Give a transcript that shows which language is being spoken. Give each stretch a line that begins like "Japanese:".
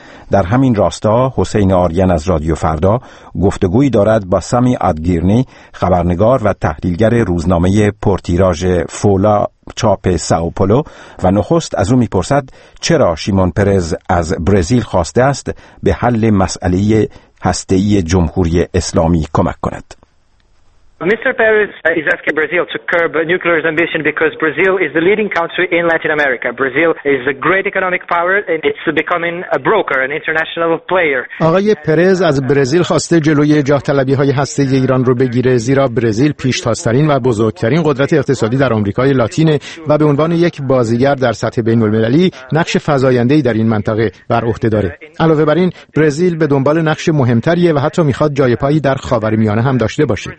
Persian: در همین راستا حسین آریان از رادیو فردا گفتگویی دارد با سمی ادگیرنی، خبرنگار و تحلیلگر روزنامه پورتیراژ فولا چاپ ساو پولو، و نخست از او میپرسد چرا شیمون پرز از برزیل خواسته است به حل مسئله هسته‌ای جمهوری اسلامی کمک کند.
English: Mr. Perez is asking Brazil to curb nuclear ambition because Brazil is the leading country in Latin America. Brazil is a great economic power and it's becoming a broker, an international player.
Persian: آقای پرز از برزیل خواسته جلوی جاه طلبی های هسته ای ایران رو بگیره، زیرا برزیل پیشتازترین و بزرگترین قدرت اقتصادی در آمریکای لاتینه و به عنوان یک بازیگر در سطح بین المللی نقش فزاینده ای در این منطقه بر عهده داره. علاوه بر این برزیل به دنبال نقش مهمتریه و حتی میخواد جای پایی در خاورمیانه هم داشته باشه.